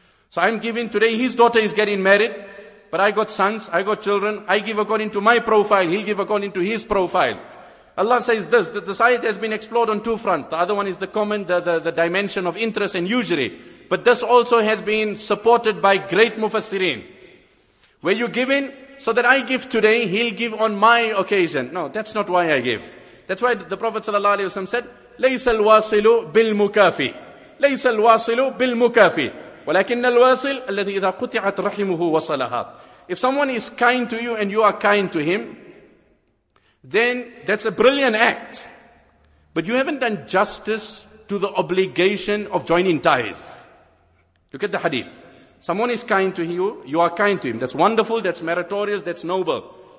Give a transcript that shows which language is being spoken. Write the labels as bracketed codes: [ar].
[en] So I'm giving today, his daughter is getting married, but I got sons, I got children, I give according to my profile, he'll give according to his profile. Allah says this, that the site has been explored on two fronts. The other one is the common, the dimension of interest and usury. But this also has been supported by great mufassirin. Where you give in, so that I give today, he'll give on my occasion. No, that's not why I give. That's why the Prophet sallallahu alaihi wasallam said, [ar] لَيْسَ الْوَاصِلُ بِالْمُكَافِي لَيْسَ الْوَاصِلُ بِالْمُكَافِي وَلَكِنَّ الْوَاصِلُ الَّذِي إِذَا قُطِعَتْ رَحِمُهُ وَصَلَهَا. [en] If someone is kind to you and you are kind to him, then that's a brilliant act. But you haven't done justice to the obligation of joining ties. Look at the hadith. Someone is kind to you, you are kind to him. That's wonderful, that's meritorious, that's noble.